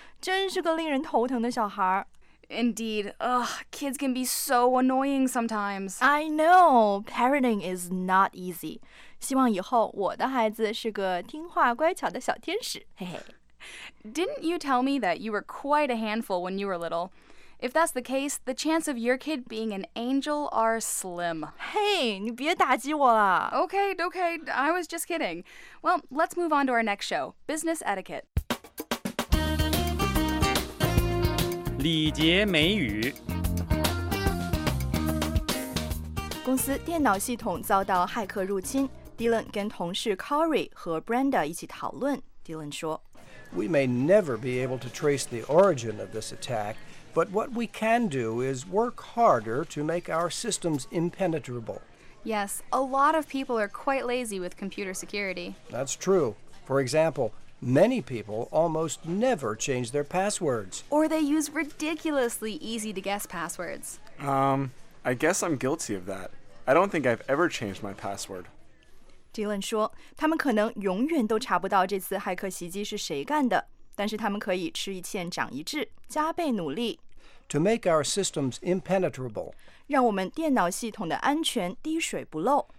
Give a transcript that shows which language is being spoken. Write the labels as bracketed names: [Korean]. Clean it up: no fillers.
[Chinese] 真是个令人头疼的小孩。 [English] Indeed. Ugh, kids can be so annoying sometimes. I know. Parenting is not easy. [Chinese] 希望以后我的孩子是个听话乖巧的小天使。嘿嘿。 [English] Didn't you tell me that you were quite a handful when you were little? If that's the case, the chance of your kid being an angel are slim. [Chinese] Hey, 你别打击我了。 [English] Okay, okay. I was just kidding. Well, let's move on to our next show, Business Etiquette. [Chinese] 礼节美语。公司电脑系统遭到骇客入侵。 Dylan 跟同事 Corey 和 Brenda 一起讨论。Dylan 说 [English] ：“We may never be able to trace the origin of this attack, but what we can do is work harder to make our systems impenetrable.” Yes, a lot of people are quite lazy with computer security. That's true. For example. Many people almost never change their passwords. Or they use ridiculously easy-to-guess passwords. I guess I'm guilty of that. I don't think I've ever changed my password. [Chinese] Dylan 说，他们可能永远都查不到这次骇客袭击是谁干的，但是他们可以吃一堑长一智，加倍努力。 [English] To make our systems impenetrable. [Chinese] 让我们电脑系统的安全滴水不漏。